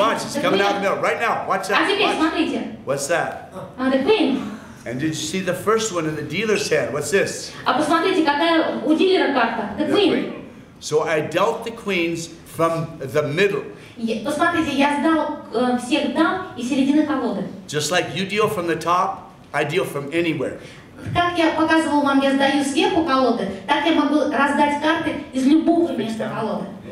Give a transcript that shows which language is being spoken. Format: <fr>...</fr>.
<en>watch, it's coming out of the middle right now. Watch that.</en> <ru>А теперь</ru> <en>watch.</en> <ru>Смотрите.</ru> <en>What's that? The queen. And did you see the first one in the dealer's hand? What's this?</en> <ru>А посмотрите, какая у дилера карта?</ru> <en>The queen. So I dealt the queens from the middle.</en> <ru>Посмотрите, я сдал всех дам из середины колоды.</ru> <en>Just like you deal from the top, I deal from anywhere.</en> <ru>Как я показывал вам, я сдаю сверху колоды, так я могу раздать карты из любого места колоды.</ru>